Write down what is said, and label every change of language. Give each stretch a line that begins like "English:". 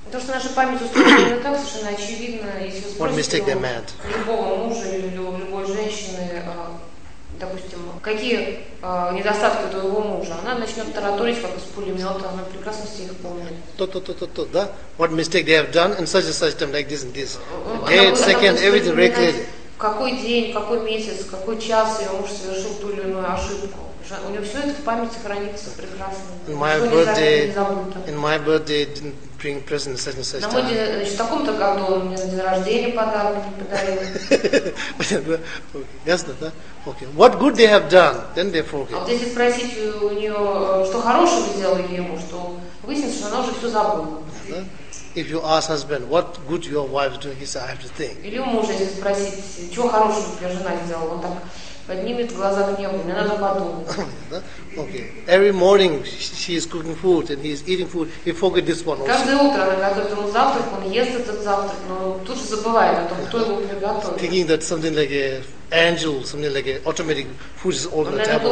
Russian: Потому что наша память устроена так, совершенно очевидно, если спросить любого мужа или любой женщины, допустим, какие недостатки у меня, то они начнут тараторить, как из пулемета, она прекрасно все их помнит. То, да?
English: What mistake they have done, and such and such, them like this and this. Date, second, everything very clearly.
Russian: В какой день, в какой месяц, в какой час ее муж совершил ту или иную ошибку. У него все это в памяти хранится прекрасно.
English: In my birthday, didn't bring present such and such.
Russian: На мой день, в таком-то году он мне на день рождения подарок не подарил. Ясно, да? Okay.
English: What good they have done, then they forget.
Russian: А вот если спросить у нее, что хорошего сделал ему, что выяснится, что она уже все забыла.
English: If you ask husband, what good your wife doing, he says, I have to think.
Russian: Или у мужа, если спросить, чего хорошего у тебя жена сделала, он так поднимет глаза к небу, мне надо подумать.
English: Okay. Every morning she is cooking food and he is eating food, he forgets this one also.
Russian: Каждое утро она готовит ему завтрак, он ест этот завтрак, но тут же забывает о том, кто его приготовил.
English: Thinking that something like an angel, something like an automatic food is on the table.